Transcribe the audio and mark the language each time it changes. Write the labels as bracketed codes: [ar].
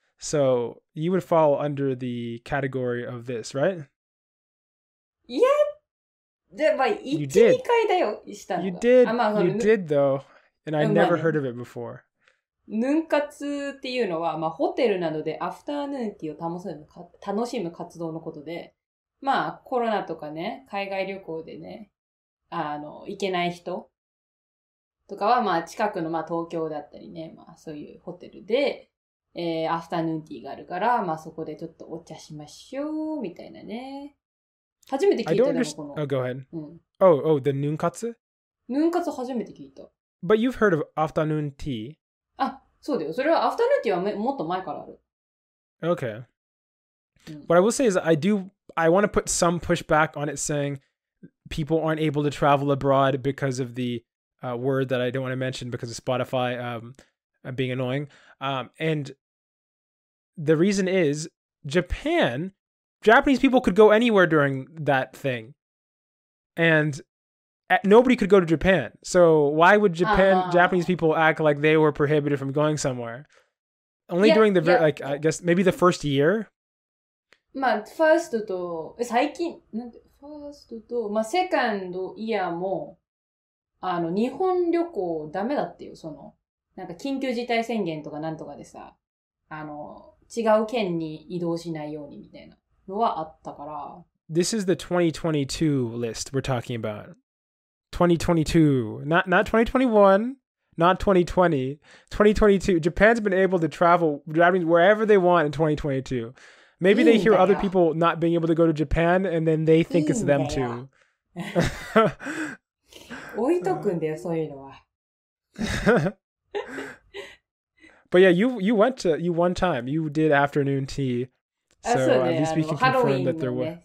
[en] So you would fall under the category of this, right? Yeah, you did. You did though, and I never heard of it before. [ja] ヌンカツっていうのは、まあ、ホテルなどでアフターヌーンティーを楽しむ活動のことで、まあ、コロナとかね、海外旅行でね、行けない人とかは、まあ、近くの、まあ、東京だったりね、まあ、そういうホテルで、アフタヌーンティーがあるから、まあそこでちょっとお茶しましょうみたいなね。初めて聞いたでもこの。 [en] Oh, go ahead. Oh, the noon katsu? [ja] Noon katsu 初めて聞いた。 [en] But you've heard of afternoon tea? [ja] あ、そうだよ。それはアフタヌーンティーはもっと前からある。 [en] Okay. What I will say is I want to put some pushback on it saying people aren't able to travel abroad because of the word that I don't want to mention because of Spotify being annoying. And the reason is Japanese people could go anywhere during that thing. And nobody could go to Japan. So why would Japan, Japanese people act like they were prohibited from going somewhere? Only during the, like, I guess maybe the first year? [ja] まあ、ファーストと、最近、なんて、ファーストと、まあ、セカンドイヤーも、あの、日本旅行ダメだってよ、その、なんか緊急事態宣言とかなんとかでさ、あの、違う県に移動しないようにみたいなのはあったから。 [en] This is the 2022 list we're talking about. 2022. Not 2021, not 2020. 2022. Japan's been able to travel, driving wherever they want in 2022. Maybe they hear other people not being able to go to Japan and then they think it's them too. [ja] 置いとくんだよ、そういうのは。 [en] But yeah, you went to, you one time, you did afternoon tea. So at least we can confirm that there were.